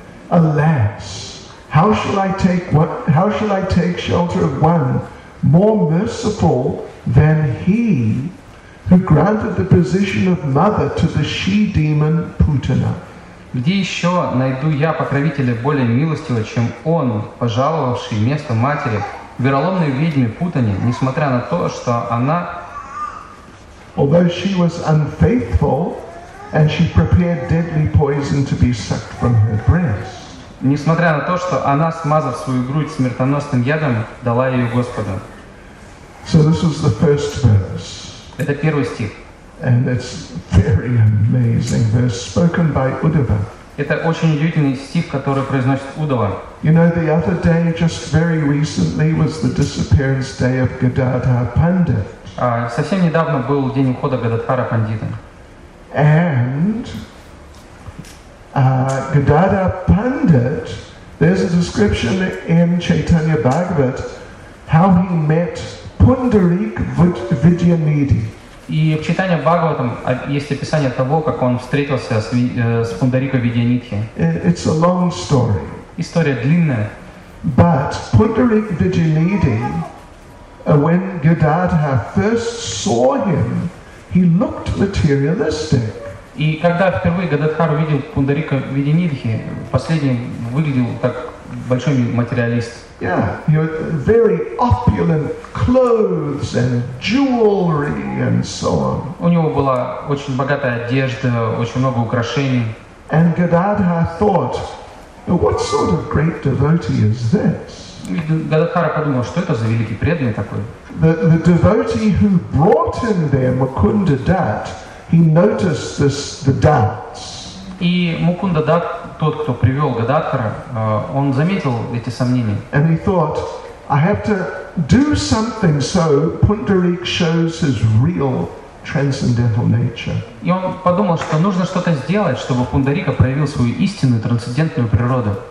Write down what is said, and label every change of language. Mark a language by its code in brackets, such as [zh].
[en] Alas, how shall I take shelter of one more merciful than he who granted the position of mother to the she-demon Putana. [ru] Где еще найду я покровителя более милостивого, чем он, пожаловавший место матери, вероломной ведьме Путане, несмотря на то, что она... [en] Although she was unfaithful, and she prepared deadly poison to be sucked from her breast. [ru] Несмотря на то, что она, смазав свою грудь смертоносным ядом, дала ее Господу. [en] So this was the first verse. [ru] Это первый стих. [en] And it's very amazing. They're spoken by Uddhava. [ru] Это очень удивительный стих, который произносит Удава. [en] You know, the other day, just very recently, was the disappearance day of Gadadhar Pandit. [ru] Совсем недавно был день ухода Гададхара Пандита. [en] And Gadadhar Pandit, there's a description in Chaitanya Bhagavat how he met Пундарик Видьянидхи. [ru] И в читании Бхагаватам есть описание того, как он встретился с Пундариком Видьянидхи. [en] It's a long story. [ru] История длинная. [en] But Пундарик Видьянидхи, when Гададхар first saw him, he looked materialistic. [ru] И когда впервые Гададхар увидел Пундарика Видьянидхи, последний выглядел как большой материалист. [en] Yeah, your very opulent clothes and jewelry and so on. [ru] У него была очень богатая одежда, очень много украшений. [en] And Gadadhar thought, what sort of great devotee is this? [ru] Гададхара подумал, что это за великий преданный такой? [en] The devotee who brought him there, Mukunda Dutt, he noticed this, the doubts. [ru] И Мукунда Дат, тот, кто привел Гададхара, он заметил эти сомнения. [en] And he thought, I have to do something so Пундарик shows his real transcendental nature. [ru] И он подумал, что нужно что-то сделать, чтобы Пундарика проявил свою истинную трансцендентную природу.